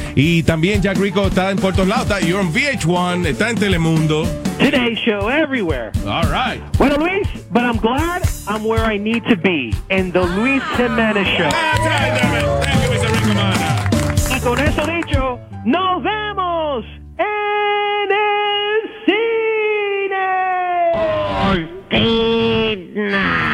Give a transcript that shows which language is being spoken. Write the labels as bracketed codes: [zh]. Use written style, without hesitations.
[es] Y también Jack Rico está en Puerto Lauta. [en] You're on VH1, [es] está en Telemundo. [en] Today Show, everywhere. All right. Bueno, Luis, but I'm glad I'm where I need to be, in the Luis Jimenez Show. That's right, David. Thank you, Mr. Rico Mana. [es] Y con eso dicho, nos vemos en el cine.